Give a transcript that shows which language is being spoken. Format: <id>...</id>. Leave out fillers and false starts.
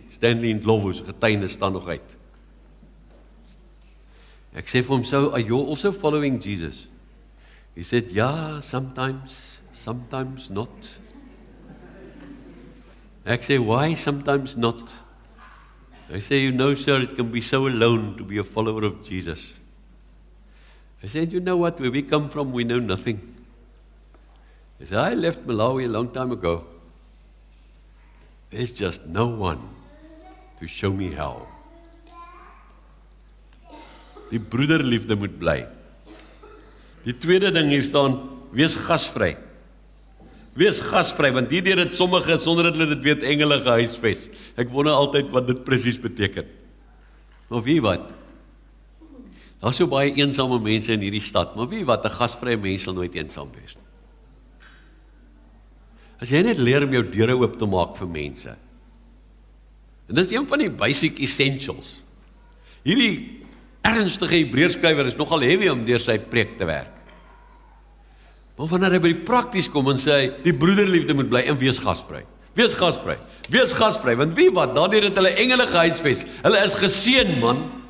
<af>Stanley Ndlovu se getuienis staan nog uit. Ek sê vir hom,</af> <en>"So are you also following Jesus?" He said, "Ja, sometimes not."</en> <af>Ek sê,</af> <en>"Why sometimes not?" I say, "You know, sir, it can be so alone to be a follower of Jesus." I said, "You know what? Where we come from, we know nothing." I said, "I left Malawi a long time ago. There's just no one to show me how."</en> <af>Die broederliefde moet bly. Die tweede ding hier staan, wees gasvry. Wees gasvry, want hierdeur het sommige, sonder dat hulle dit weet, engele gehuisves. Ek wonder altyd wat dit presies beteken. Maar weet wat? Daar is so baie eensame mense in hierdie stad, maar weet wat, 'n gasvrye mens sal nooit eensaam wees. As jy net leer om jou deure oop te maak vir mense. En dis een van die</af> <en>basic essentials.</en> <af>Hierdie ernstige Hebreërs skrywer is nogal heavy om deur sy preek te werk. Maar wanneer hy by die prakties kom en sê, die broederliefde moet bly en wees gasvry. Wees gasvry. Wees gasvry, want wie wat, daardeur het hulle engele gehuisves. Hulle is geseën, man.</af>